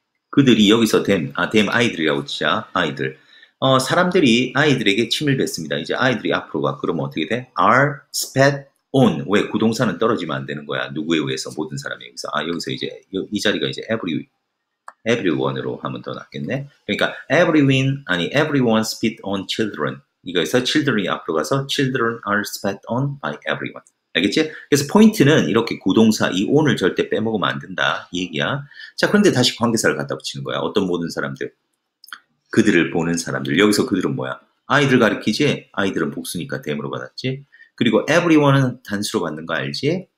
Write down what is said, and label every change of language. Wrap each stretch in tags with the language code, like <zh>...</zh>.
<ko>그들이 여기서 them, 아, them 아이들이라고 치자. 아이들. 사람들이 아이들에게 침을 뱉습니다. 이제 아이들이 앞으로 가. 그러면 어떻게 돼?</ko> <en>are spat on.</en> <ko>왜? 구동사는 떨어지면 안 되는 거야. 누구에 의해서? 모든 사람에 의해서. 아, 여기서 이제 이 자리가 이제 everyone으로 하면 더 낫겠네. 그러니까</ko> <en>everyone,</en> <ko>아니</ko> <en>everyone spit on children.</en> <ko>이거에서 children이 앞으로 가서</ko> <en>children are spat on by everyone.</en> <ko>알겠지? 그래서 포인트는 이렇게 구동사 이 on을 절대 빼먹으면 안 된다 이 얘기야. 자, 그런데 다시 관계사를 갖다 붙이는 거야. 어떤 모든 사람들? 그들을 보는 사람들. 여기서 그들은 뭐야? 아이들 가리키지? 아이들은 복수니까 them으로 받았지? 그리고 everyone은 단수로 받는 거 알지?</ko>